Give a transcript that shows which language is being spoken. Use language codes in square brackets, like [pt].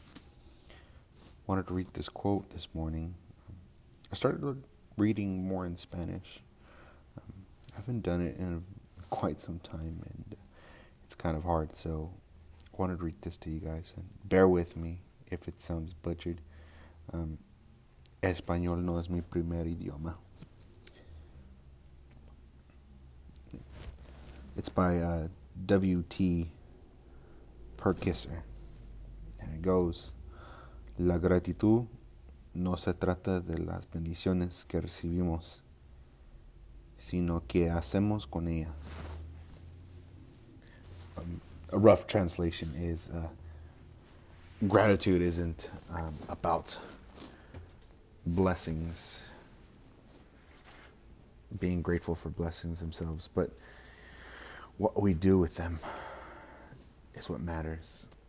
[en] I wanted to read this quote this morning. I started reading more in Spanish. I haven't done it in quite some time, and it's kind of hard, so I wanted to read this to you guys. And bear with me if it sounds butchered. [es] Español no es mi primer idioma. [en] It's by W.T. Perkisser. And it goes, [es] La gratitud no se trata de las bendiciones que recibimos, sino que hacemos con ellas. [en] A rough translation is, gratitude isn't about blessings, being grateful for blessings themselves, but what we do with them is what matters.